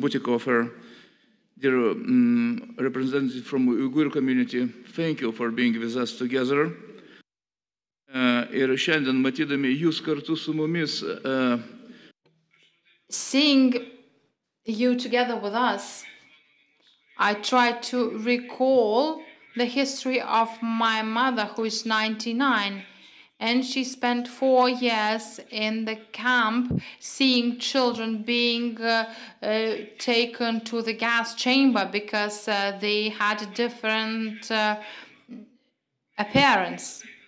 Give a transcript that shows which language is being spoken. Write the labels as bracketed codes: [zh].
[en] Butikofer, dear representative from Uyghur community, thank you for being with us together. [lt] Ir šiandien matydami jūs kartu su mumis. [en] Seeing you together with us, I try to recall the history of my mother, who is 99, and she spent 4 years in the camp seeing children being taken to the gas chamber because they had a different appearance.